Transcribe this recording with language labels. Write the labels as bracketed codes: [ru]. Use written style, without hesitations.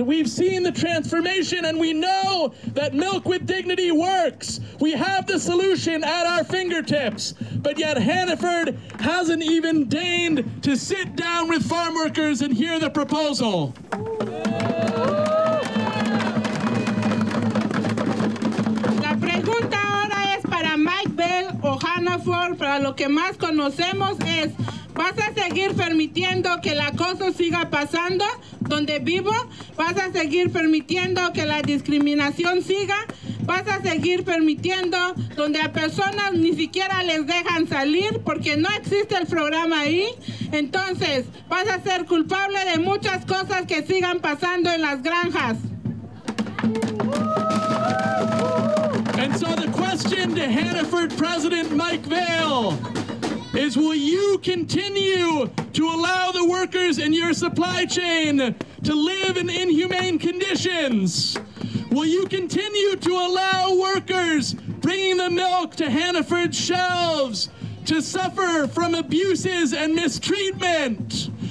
[en] We've seen the transformation, and we know that Milk with Dignity works. We have the solution at our fingertips. But yet Hannaford hasn't even deigned to sit down with farm workers and hear the proposal. [es] La pregunta ahora es para Mike Bell o Hannaford, para lo que más conocemos es, ¿vas a seguir permitiendo que el acoso siga pasando donde vivo? ¿Vas a seguir permitiendo que la discriminación siga? vas a seguir permitiendo donde a personas ni siquiera les dejan salir porque no existe el programa ahí, entonces vas a ser culpable de muchas cosas que sigan pasando en las granjas. [en] And so the question to Hannaford President Mike Vail is, will you continue to allow the workers in your supply chain to live in inhumane conditions? Will you continue to allow workers bringing the milk to Hannaford's shelves to suffer from abuses and mistreatment?